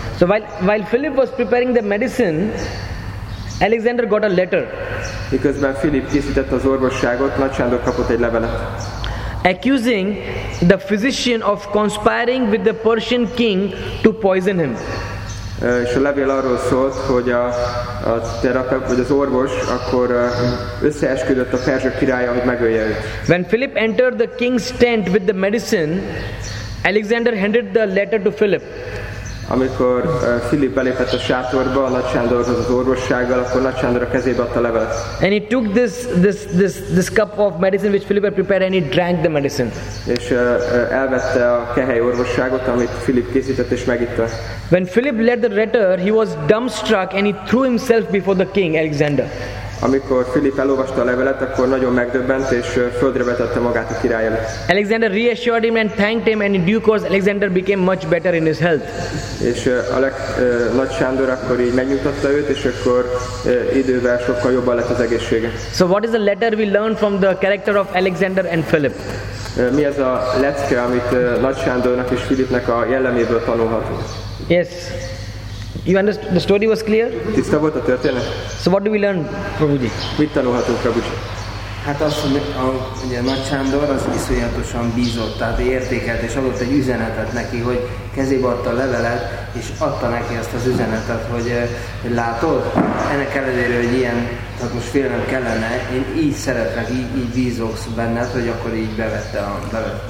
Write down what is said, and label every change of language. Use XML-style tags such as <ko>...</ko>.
<en>So while Philip was preparing the medicine, Alexander got a letter.</en> <hu>Miközben Philip készített az orvosságot, Nagy Sándor kapott egy levelet.</hu> <en>Accusing the physician of conspiring with the Persian king to poison him.</en> <hu>És a levél arról szólt, hogy a terapeuta vagy az orvos akkor összeesküdött a perzsa királya, hogy megölje őt.</hu> <en>When Philip entered the king's tent with the medicine, Alexander handed the letter to Philip.</en> <hu>Amikor Philip belépett a sátorba, a Nagy Sándorhoz az orvossággal, akkor Nagy Sándor a kezébe adta levelet.</hu> <en>And he took this cup of medicine which Philip had prepared and he drank the medicine.</en> <hu>És elvette a kehely orvosságot, amit Philip készített és megitta.</hu> <en>When Philip read the letter, he was dumbstruck and he threw himself before the king Alexander.</en> <hu>Amikor Philip elolvasta a levelet, akkor nagyon megdöbbent és földre vetette magát a király előtt.</hu> <en>Alexander reassured him and thanked him, and in due course Alexander became much better in his health.</en> <hu>És Nagy Sándor akkor így megnyugtatta őt, és akkor idővel sokkal jobban lett az egészsége.</hu> <en>So what is the letter we learn from the character of Alexander and Philip?</en> <hu>Mi ez a lecke, amit Nagy Sándornak és Philipnek a jelleméből tanulhatunk?</hu> <en>Yes. You understood, the story was clear?</en> <hu>Tiszta volt a történet.</hu> <en>So what do we learn, Prabhuji?</en> <hu>Mit tanulhatunk, Prabhuji? Hát az, hogy a nagy Sándor az iszonyatosan bízott, tehát értékelt, és adott egy üzenetet neki, hogy kezébe adta a levelet, és adta neki azt az üzenetet, hogy, hogy látod, ennek ellenére, hogy ilyen, tehát most félnem kellene, én így szeretlek, így bízok benned, hogy akkor így bevette a levelet.</hu>